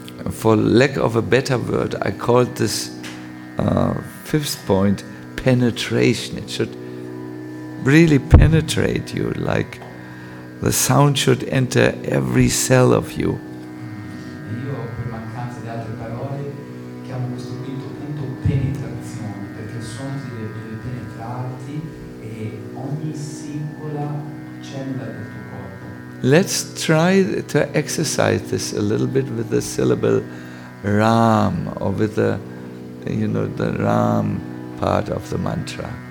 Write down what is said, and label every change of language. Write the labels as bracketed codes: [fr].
[en] For lack of a better word, I called this fifth point penetration. It should really penetrate you, like the sound should enter every cell of you. [it] Io per mancanza di altre parole chiamo questo quinto punto penetrazione, perché il suono deve penetrarti e ogni singola cellula del tuo corpo. [en] Let's try to exercise this a little bit with the syllable Ram, or with the, you know, the Ram part of the mantra.